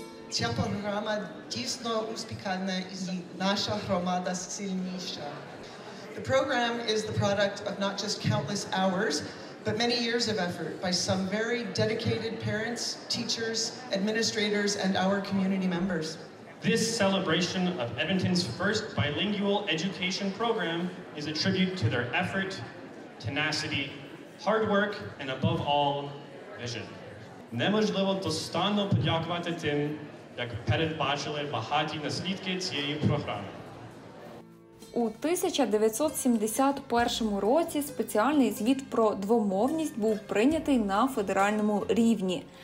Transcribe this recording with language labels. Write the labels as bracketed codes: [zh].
[uk] Ця програма дійсно успішна і наша громада сильніша. [en] The program is the product of not just countless hours, but many years of effort by some very dedicated parents, teachers, administrators, and our community members. This celebration of Edmonton's first bilingual education program is a tribute to their effort, tenacity, hard work, and above all, vision. [uk] Неможливо достатньо подякувати тим, як передбачили багаті наслідки цієї програми. У 1971 році спеціальний звіт про двомовність був прийнятий на федеральному рівні.